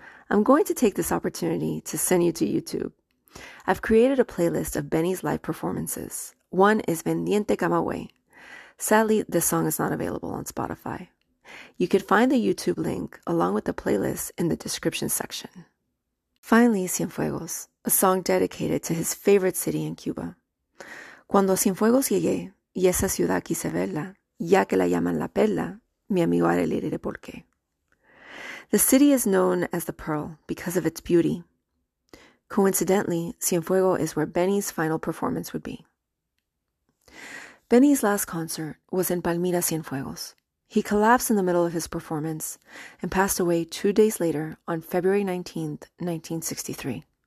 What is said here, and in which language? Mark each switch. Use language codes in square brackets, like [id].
[en] I'm going to take this opportunity to send you to YouTube. I've created a playlist of Beny's live performances. One is Vendiente Camagüey. Sadly, this song is not available on Spotify. You could find the YouTube link along with the playlist in the description section. Finally, Cienfuegos, a song dedicated to his favorite city in Cuba. [es] Cuando a Cienfuegos llegué, y esa ciudad quise verla, ya que la llaman la perla, mi amigo haré leer por qué. [en] The city is known as the Pearl because of its beauty. Coincidentally, Cienfuegos is where Beny's final performance would be. Beny's last concert was in Palmira, Cienfuegos. He collapsed in the middle of his performance and passed away 2 days later on February 19, 1963.